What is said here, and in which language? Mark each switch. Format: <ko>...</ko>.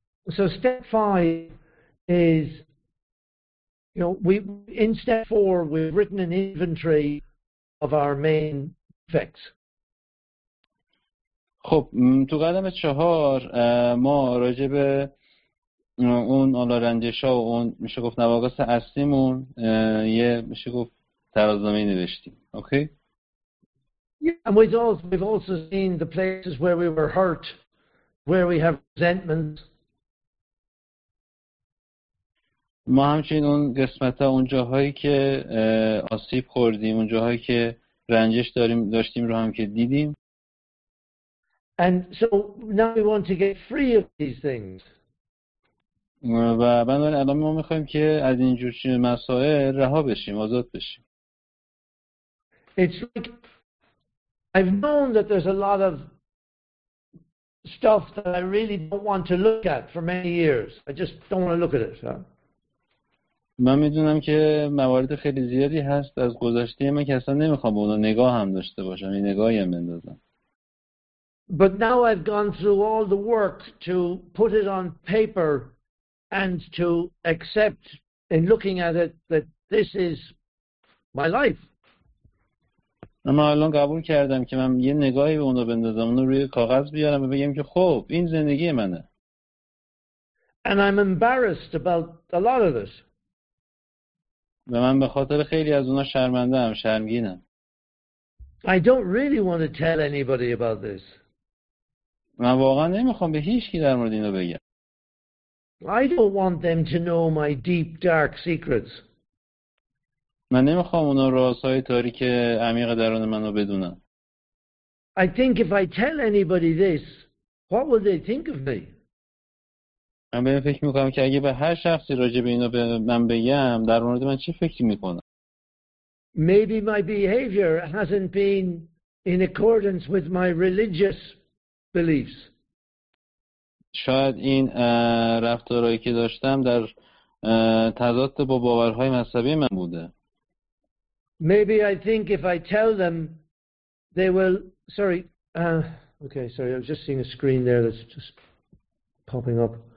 <en>So step 5 is in step 4 we've written an inventory of our main defects.</en> <fa>خب تو قدم 4 ما راجع به اون رنجش‌ها و اون میشه گفت نواقص اصلیمون یه میشه گفت ترازنامه نوشتیم. اوکی.</fa> <en>Yeah, and we've also seen the places where we were hurt, where we have resentments.</en> <fa>ما همچنین اون قسمت‌ها، اون جاهایی که آسیب خوردیم، اون جاهایی که رنجش داشتیم رو هم که دیدیم.</fa> <en>And so now we want to get free of these things.</en> <fa>و بنابراین الان ما می‌خوایم که از این جور مسائل رها بشیم، آزاد بشیم.</fa> <en>It's like I've known that there's a lot of stuff that I really don't want to look at for many years. I just don't want to look at it.</en> <fa>من میدونم که موارد خیلی زیادی هست از گذشته من که اصلا نمیخوام به اونا نگاه هم داشته باشم، این نگاهی هم بندازم.</fa> <en>But now I've gone through all the work to put it on paper and to accept in looking at it that this is my life.</en> <fa>اما الان قبول کردم که من یه نگاهی به اون رو بندازم، اون رو روی کاغذ بیارم و بگم که خب این زندگی منه.</fa> <en>And I'm embarrassed about a lot of this.</en> <fa>و من به خاطر خیلی از اونا شرمنده ام، شرمگینم.</fa> <en>I don't really want to tell anybody about this.</en> <fa>من واقعا نمیخوام به هیچ کی در مورد اینو بگم.</fa> <en>I don't want them to know my deep dark secrets.</en> <fa>من نمیخوام اونا رازهای تاریک عمیق درون منو بدونن.</fa> <en>I think if I tell anybody this, what will they think of me?</en> <fa>من به فکر میکنم که اگه به هر شخصی راجع به اینو به من بگم در مورد من چه فکری میکنن.</fa> <en>Maybe my behavior hasn't been in accordance with my religious beliefs.</en> <fa>شاید این رفتارهایی که داشتم در تضاد با باورهای مذهبی من بوده.</fa> <en>Maybe I think if I tell them, they will. Sorry. Okay. Sorry. I was just seeing a screen there that's just popping up.</en>